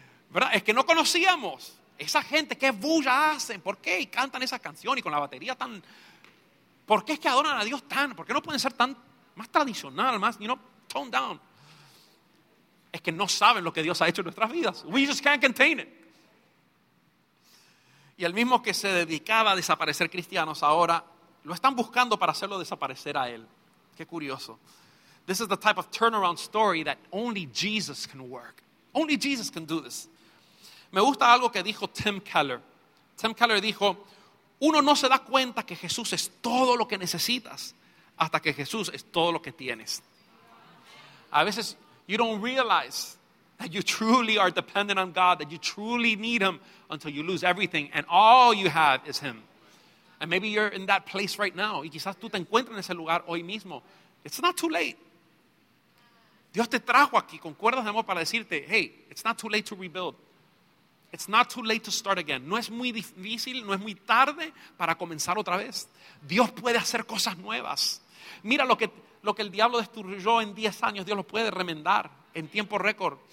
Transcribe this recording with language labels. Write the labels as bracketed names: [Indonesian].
[Spanish] ¿Verdad? Es que no conocíamos esa gente, qué bulla hacen, por qué y cantan esa canción y con la batería tan, por qué es que adoran a Dios tan, por qué no pueden ser tan más tradicional, más, [English] toned down. [Spanish] Es que no saben lo que Dios ha hecho en nuestras vidas. [English] We just can't contain it. [Spanish] Y el mismo que se dedicaba a desaparecer cristianos, ahora lo están buscando para hacerlo desaparecer a él. Qué curioso. [English] This is the type of turnaround story that only Jesus can work. Only Jesus can do this. [Spanish] Me gusta algo que dijo Tim Keller. Tim Keller dijo, uno no se da cuenta que Jesús es todo lo que necesitas hasta que Jesús es todo lo que tienes. A veces, [English] you don't realize that you truly are dependent on God, that you truly need Him until you lose everything and all you have is Him. And maybe you're in that place right now. [Spanish] Y quizás tú te encuentras en ese lugar hoy mismo. [English] It's not too late. [Spanish] Dios te trajo aquí con cuerdas de amor para decirte, [English] hey, it's not too late to rebuild. It's not too late to start again. [Spanish] No es muy difícil, no es muy tarde para comenzar otra vez. Dios puede hacer cosas nuevas. Mira lo que el diablo destruyó en 10 años, Dios lo puede remendar en tiempo récord.